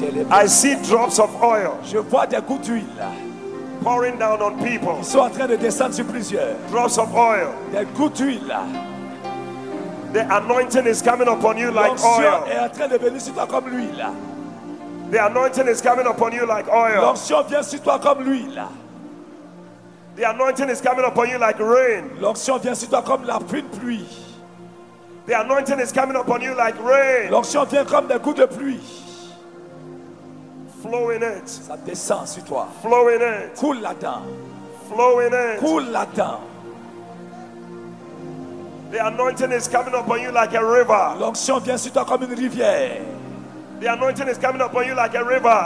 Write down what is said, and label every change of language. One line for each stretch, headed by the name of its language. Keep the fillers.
English: I see drops of oil
French: Je vois des gouttes d'huile
English: pouring down on people.
French: Ils sont en train de descendre sur plusieurs.
English: Drops of oil.
French: Des gouttes d'huile.
English: The anointing is coming upon you like oil.
French: est en train de venir sur toi comme l'huile.
English: The anointing is coming upon you like oil.
French: L'onction vient sur toi comme l'huile.
English: The anointing is coming upon you like rain.
French: L'onction vient sur toi comme la fine pluie, pluie.
English: The anointing is coming upon you like rain.
French: L'onction vient comme des gouttes de pluie.
English: Flow in it.
French: Ça descend sur toi.
English: Flow in it.
French: Coule là-dedans.
English: Flow in it. Coule là-dedans. The anointing is coming upon you like a river.
French: L'onction vient sur toi comme une rivière.
English: The anointing is coming up on you like a river.